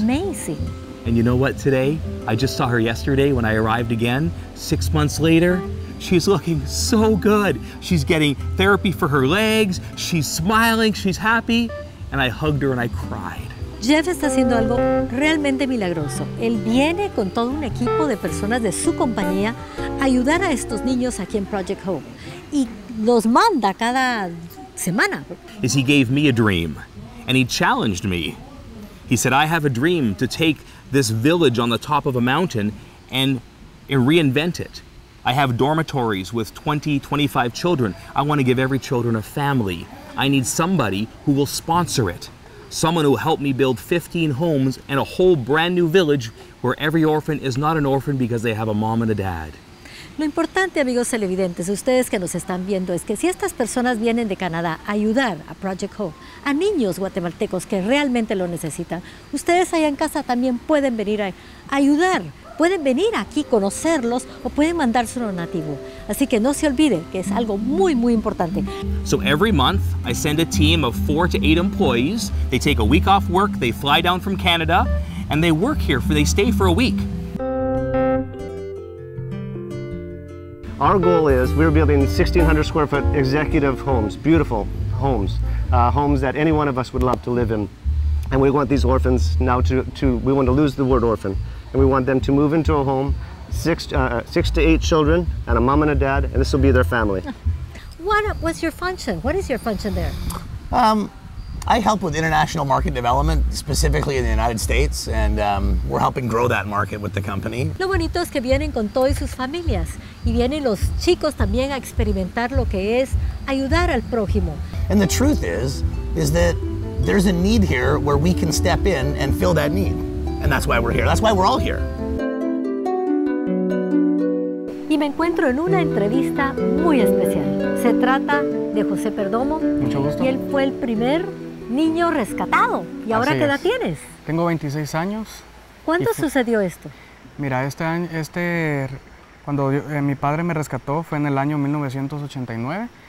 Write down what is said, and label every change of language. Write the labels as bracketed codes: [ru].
[en] Amazing. And you know what today? I just saw her yesterday when I arrived again. 6 months later, she's looking so good. She's getting therapy for her legs. She's smiling. She's happy. And I hugged her and I cried. [es] Jeff está haciendo algo realmente milagroso. Él viene con todo un equipo de personas de su compañía a ayudar a estos niños aquí en Project Hope. Y los manda cada semana. [en] He gave me a dream, and he challenged me. He said, I have a dream to take this village on the top of a mountain and reinvent it. I have dormitories with 20, 25 children. I want to give every children a family. I need somebody who will sponsor it. Someone who will help me build 15 homes and a whole brand new village where every orphan is not an orphan because they have a mom and a dad. [es] Lo importante, amigos televidentes, ustedes que nos están viendo, es que si estas personas vienen de Canadá a ayudar a Project Hope, a niños guatemaltecos que realmente lo necesitan, ustedes allá en casa también pueden venir a ayudar. Pueden venir aquí, conocerlos, o pueden mandar su donativo. Así que no se olvide que es algo muy, muy importante. [en] So every month, I send a team of 4 to 8 employees. They take a week off work, they fly down from Canada, and they work here, they stay for a week. Our goal is, we're building 1,600 square foot executive homes, beautiful homes, homes that any one of us would love to live in. And we want these orphans now we want to lose the word orphan. And we want them to move into a home, six to eight children, and a mom and a dad, and this will be their family. What's your function? What is your function there? I help with international market development, specifically in the United States, and we're helping grow that market with the company. [es] Lo bonito es que vienen con todas sus familias, y vienen los chicos también a experimentar lo que es ayudar al prójimo. [en] And the truth is that there's a need here where we can step in and fill that need. And that's why we're here. That's why we're all here. [es] Y me encuentro en una entrevista muy especial. Se trata de José Perdomo. Mucho gusto. Y él fue el primer niño rescatado. ¿Y ahora qué edad tienes? Tengo 26 años. ¿Cuándo sucedió esto? Mira, mi padre me rescató fue en el año 1989.